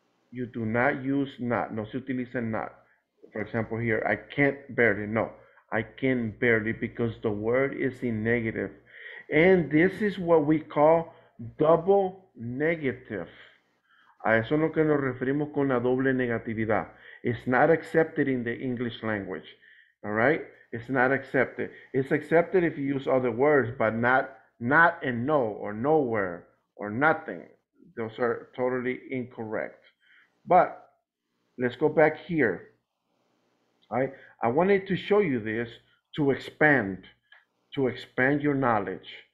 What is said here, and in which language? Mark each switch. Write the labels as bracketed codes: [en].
[en] You do not use not. [es] No se utiliza not. [en] For example, here, I can't barely. No, I can barely, because the word is in negative. And this is what we call double negative. [es] A eso es lo que nos referimos con la doble negatividad. [en] It's not accepted in the English language. All right? It's not accepted. It's accepted if you use other words, but not and no, or nowhere, or nothing. Those are totally incorrect. But let's go back here. All right, I wanted to show you this to expand your knowledge.